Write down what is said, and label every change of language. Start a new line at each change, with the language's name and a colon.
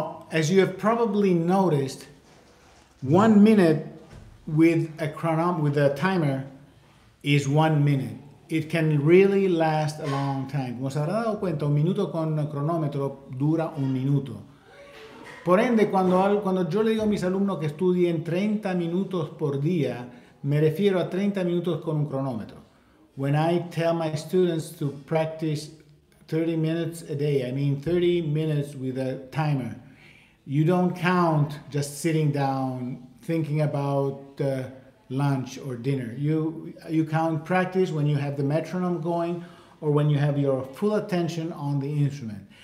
English: as you have probably noticed, 1 minute with a chronometer, with a timer, is 1 minute. It can really last a long time.
Spanish: Como se habrá dado cuenta, un minuto con cronómetro dura un minuto. Por ende, cuando yo le digo a mis alumnos que estudien 30 minutos por día, me refiero a 30 minutos con un cronómetro.
English: When I tell my students to practice 30 minutes a day, I mean 30 minutes with a timer. You don't count just sitting down thinking about lunch or dinner. You count practice when you have the metronome going or when you have your full attention on the instrument.